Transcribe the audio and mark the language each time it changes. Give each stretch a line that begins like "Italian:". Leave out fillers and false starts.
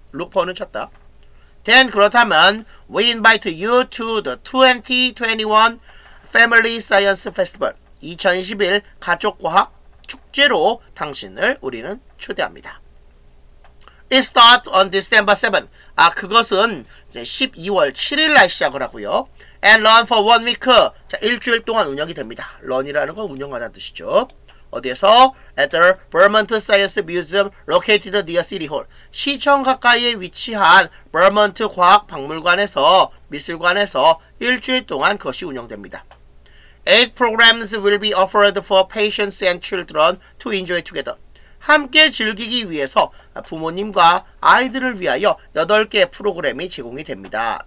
Korean: 루퍼는 쳤다.
English: Then
Korean: 그렇다면
English: we invite you to the 2021 Family Science Festival,
Korean: 2021 가족과학 축제로 당신을 우리는 초대합니다.
English: It starts on December 7th.
Korean: 아, 그것은 이제 12월 7일 날 시작을 하고요.
English: And run for one week.
Korean: 자, 일주일 동안 운영이 됩니다. Run이라는 건 운영하다는 뜻이죠. 어디에서?
English: At the Vermont Science Museum located near City Hall.
Korean: 시청 가까이에 위치한 Vermont 과학 박물관에서, 미술관에서 일주일 동안 그것이 운영됩니다.
English: Eight programs will be offered for patients and children to enjoy together.
Korean: 함께 즐기기 위해서 부모님과 아이들을 위하여 8개의 프로그램이 제공이 됩니다.